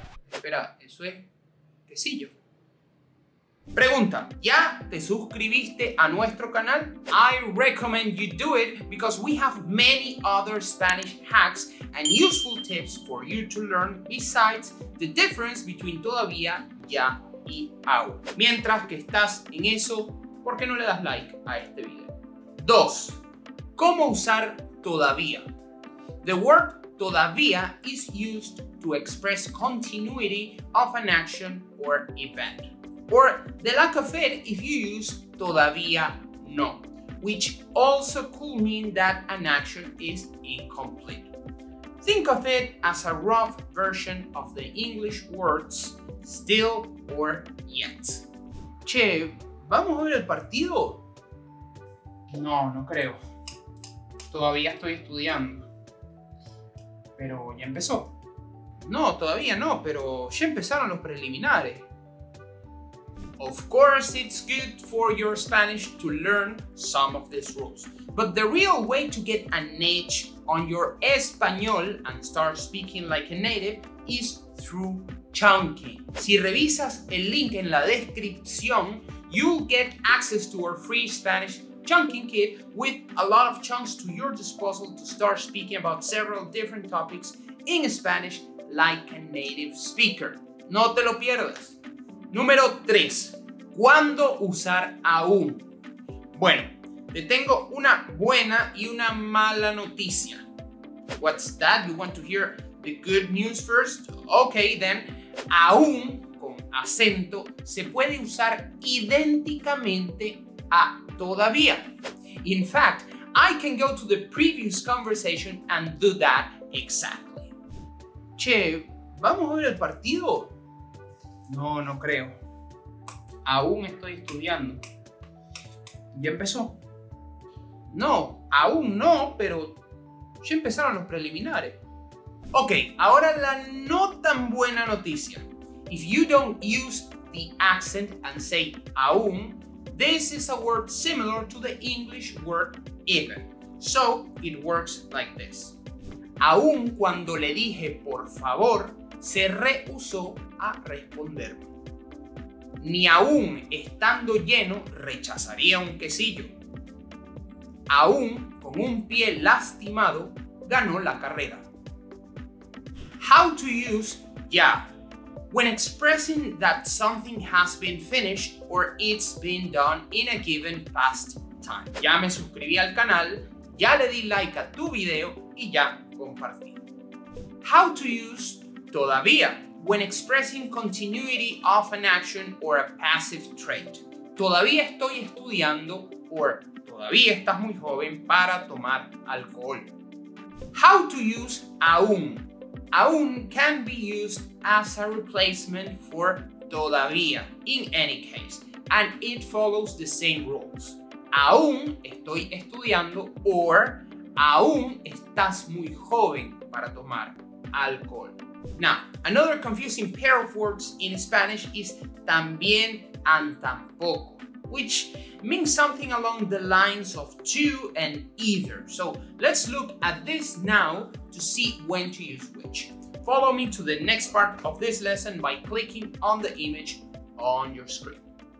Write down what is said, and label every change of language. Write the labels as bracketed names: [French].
[Spanish] Espera, eso es quesillo. Pregunta, ¿ya te suscribiste a nuestro canal? [English] I recommend you do it because we have many other Spanish hacks and useful tips for you to learn besides the difference between todavía, ya y aún. [Spanish] Mientras que estás en eso, ¿por qué no le das like a este video? [English] 2. [Spanish] ¿Cómo usar todavía? [English] The word todavía is used to express continuity of an action or event. Or the lack of it if you use todavía no, which also could mean that an action is incomplete. Think of it as a rough version of the English words still or yet. [Spanish] Che, ¿vamos a ver el partido? No, no creo. Todavía estoy estudiando. Pero ya empezó. No, todavía no, pero ya empezaron los preliminares. [English] Of course, it's good for your Spanish to learn some of these rules. But the real way to get an edge on your español and start speaking like a native is through chunking. [Spanish] Si revisas el link en la descripción, [English] you'll get access to our free Spanish chunking kit with a lot of chunks to your disposal to start speaking about several different topics in Spanish like a native speaker. [Spanish] No te lo pierdas. Número 3. ¿Cuándo usar aún? Bueno, te tengo una buena y una mala noticia. [English] What's that? You want to hear the good news first? Okay, then. [Spanish] Aún, con acento, se puede usar idénticamente a todavía. [English] In fact, I can go to the previous conversation and do that exactly. [Spanish] Che, ¿vamos a ver el partido? No, no creo. Aún estoy estudiando. ¿Ya empezó? No, aún no, pero ya empezaron los preliminares. Ok, ahora la no tan buena noticia. [English] If you don't use the accent and say aún, this is a word similar to the English word even. So, it works like this. [Spanish] Aún cuando le dije por favor, se rehusó a responderme. Ni aún estando lleno, rechazaría un quesillo. Aún con un pie lastimado, ganó la carrera. [English] How to use ya? When expressing that something has been finished or it's been done in a given past time. [Spanish] Ya me suscribí al canal, ya le di like a tu video y ya compartí. [English] How to use todavía? When expressing continuity of an action or a passive trait. [Spanish] Todavía estoy estudiando or todavía estás muy joven para tomar alcohol. [English] How to use aún? AUN can be used as a replacement for todavía, in any case, and it follows the same rules. [Spanish] AUN estoy estudiando, or AUN estás muy joven para tomar alcohol. [English] Now, another confusing pair of words in Spanish is también and tampoco, which means something along the lines of to and either. So let's look at this now to see when to use which. Follow me to the next part of this lesson by clicking on the image on your screen.